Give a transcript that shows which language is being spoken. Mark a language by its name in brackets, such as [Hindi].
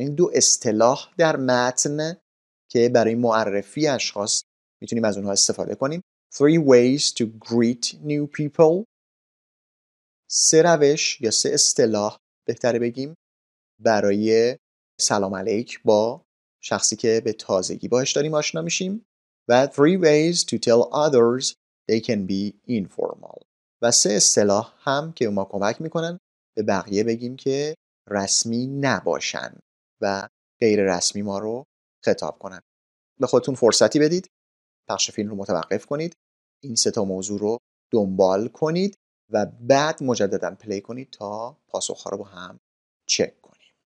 [Persian] این دو اصطلاح در متن که برای معرفی اشخاص میتونیم از اونها استفاده کنیم. [English] Three ways to greet new people. [Persian] سه روش یا سه اصطلاح بهتره بگیم برای سلام علیک با شخصی که به تازگی باهاش داریم آشنا میشیم. [English] و three ways to tell others they can be informal. [Persian] و سه اصطلاح هم که ما کمک میکنن به بقیه بگیم که رسمی نباشن و غیر رسمی ما رو خطاب کنن. به خودتون فرصتی بدید، پخش فیلم رو متوقف کنید، این سه تا موضوع رو دنبال کنید و بعد مجددا پلی کنید تا پاسخ ها رو با هم چک کنیم.